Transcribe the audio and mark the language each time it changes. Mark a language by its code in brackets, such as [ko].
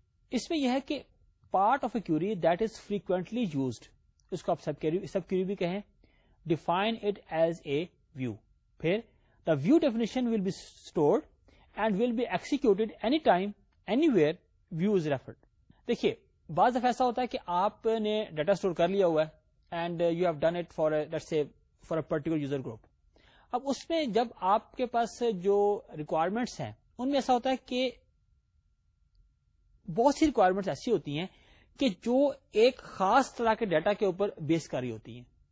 [ur] اس میں یہ ہے کہ [en] part of a query that is frequently used [ur] اس کو آپ سب کیوری بھی کہیں [en] Define it as a view. پھر the view definition will be stored and will be executed any time anywhere view is referred. [ur] دیکھیے بعض دفعہ ایسا ہوتا ہے کہ آپ نے ڈیٹا اسٹور کر لیا ہوا ہے [en] And you have done it for let's say for a particular user group. [ur] اب اس میں جب آپ کے پاس جو ریکوائرمنٹس ہیں ان میں ایسا ہوتا ہے کہ بہت سی ریکوائرمنٹس ایسی ہوتی ہیں کہ جو ایک خاص طرح کے ڈیٹا کے اوپر بیس کر رہی ہوتی ہیں.